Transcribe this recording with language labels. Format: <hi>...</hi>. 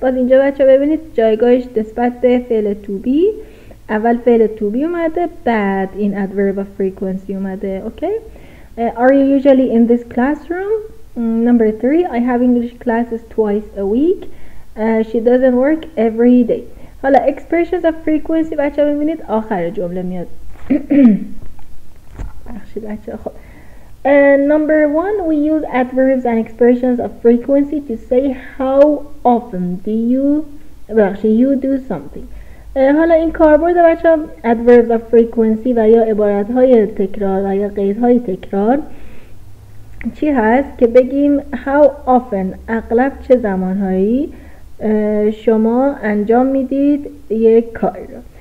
<fa>باز اینجا بچه ببینید جایگاهش نسبت به فعل to be، اول فعل to be اومده بعد این adverb of frequency اومده.</fa> <en>Okay, are you usually in this classroom? Number 3, I have English classes twice a week. She doesn't work every day.</en> <fa>حالا expressions of frequency بچه ها ببینید آخر جمله میاد. بخشید بچه ها.</fa> <en>خب number 1, we use adverbs and expressions of frequency to say how often do you you do something.</en> <fa>حالا این کاربرد بچه ها adverbs of frequency و یا عبارت های تکرار و یا قید های تکرار چی هست که بگیم</fa> <en>how often،</en> <fa>اغلب چه زمانهایی شما انجام میدید یک کار را.</fa>